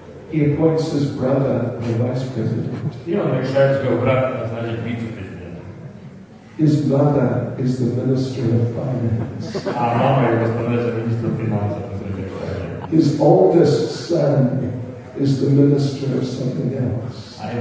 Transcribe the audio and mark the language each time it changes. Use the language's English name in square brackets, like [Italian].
[English] He appoints his brother the vice president. [Russian] И он решает своего брата назначить вице-президентом. [English] His mother is the minister of finance. [Russian] А мама его становится министром финансов. [English] His oldest son is the minister of something else.